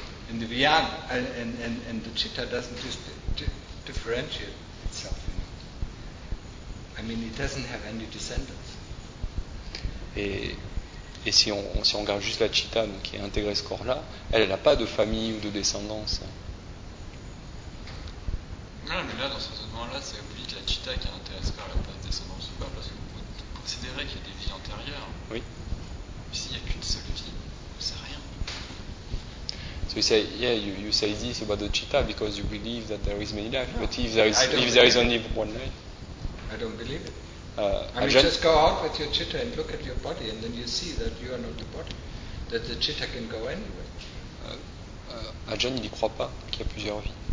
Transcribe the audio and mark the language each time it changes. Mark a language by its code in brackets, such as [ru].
[en] And the Vyan and the Chitta doesn't just differentiate itself. You know. I mean, mean, it doesn't have any descendants. [fr] Et si on regarde juste la chitta donc, qui est intégrée à ce corps-là, elle n'a pas de famille ou de descendance. Non, mais là, dans ce raisonnement-là, c'est oublié que la chitta qui est intégrée à ce corps-là n'a pas de descendance ou pas, parce qu'on peut considérer qu'il y a des vies antérieures. Oui. Mais s'il n'y a qu'une seule vie, c'est rien. [en] So you say, yeah, you say this about the chitta because you believe that there is many lives, but if there is only one life. I don't believe it. I mean, just go out with your chitta and look at your body, and then you see that you are not the body, that the chitta can go anywhere. [fr] Ajahn, il y croit pas qu'il y a plusieurs vies.